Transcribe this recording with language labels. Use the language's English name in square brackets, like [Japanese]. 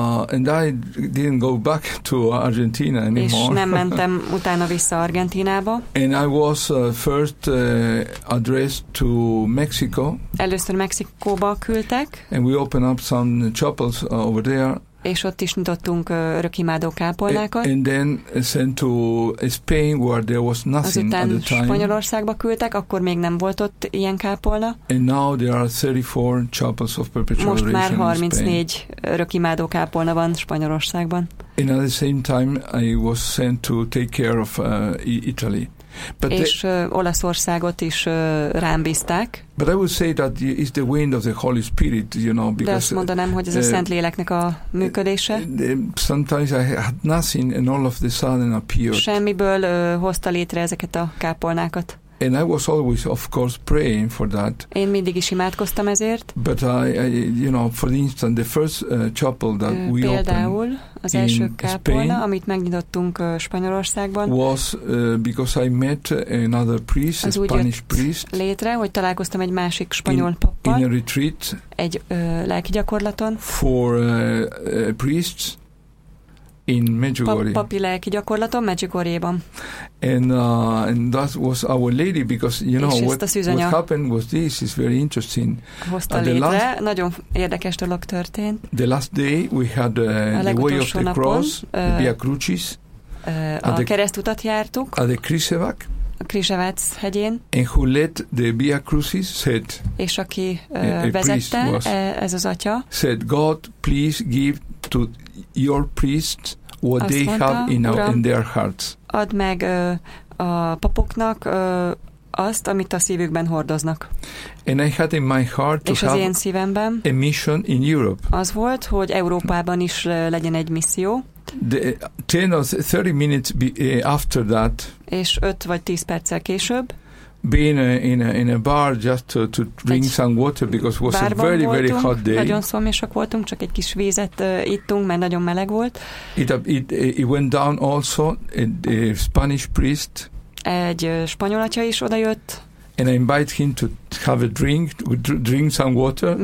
[English] And I didn't go back to Argentina anymore. [Hungarian] És nem mentem utána vissza Argentinába. [English] And I was first addressed to Mexico. [Hungarian] Először Mexikóba küldtek. [English] And we opened up some chapels over there. [Hungarian] És ott is nyitottunk örökimádó kápolnákat. [English] And then sent to Spain, where there was nothing at the time. [Hungarian] Azután Spanyolországba küldtek, akkor még nem volt ott ilyen kápolna. [English] And now there are 34 chapels of perpetual oration. [Hungarian] Most már 34 örökimádó kápolna van Spanyolországban. [English] And at the same time I was sent to take care of Italy. [Hungarian] But és Olaszországot is rám bízták. [English] But I would say that it's the wind of the Holy Spirit, you know, because. [Hungarian] De azt mondanám, hogy ez a Szentléleknek a működése. [English] Sometimes I had nothing, and all of the sudden appeared. [Hungarian] Semmiből hozta létre ezeket a kápolnákat. [English] And I was always, of course, praying for that. [Hungarian] Én mindig is imádkoztam ezért. [English] But I, you know, for instance, the first chapel that we opened. [Hungarian] Például az első kápolna, amit megnyitottunk Spanyolországban. [English] Was because I met another priest, a Spanish priest. [Hungarian] Létre, hogy találkoztam egy másik spanyol pappal. [English] In a retreat. [Hungarian] Egy lelki gyakorlaton. [English] For priests. In Medjugorje. [Hungarian] Papi lelki gyakorlaton Medjugorjeban. [English] And that was Our Lady, because you know what happened was this is very interesting. [Hungarian] Hozta létre, last, nagyon érdekes dolog történt. [English] The last day we had the way of the [Hungarian] napon, [English] cross, the Via Crucis. [Hungarian] A keresztutat jártuk. [English] At the Krisevac. [Hungarian] A Krisevac hegyén. [English] And who led the Via Crucis said. [Hungarian] És aki vezette, ez az atya. [English] Said, God, please give to your priests what [Hungarian] azt [English] they [Hungarian] mondta, [English] have in, [Hungarian] uram, [English] in their hearts. [Hungarian] Add meg a papoknak azt, amit a szívükben hordoznak. [English] And I had in my heart to [Hungarian] és az én szívemben [English] a mission in Europe. [Hungarian] Az volt, hogy Európában is legyen egy misszió. [English] The 10 or 30 minutes after that. [Hungarian] És 5 vagy 10 perccel később. [English] Being in a bar just to drink some water because it was a very [Hungarian] voltunk, [English] very hot day. [Hungarian] Nagyon szomjasak voltunk, csak egy kis vízet ittunk, mert nagyon meleg volt. [English] It went down also a Spanish priest. [Hungarian] Egy spanyol atya is odajött. [English] And I invite him to have a drink some water with me.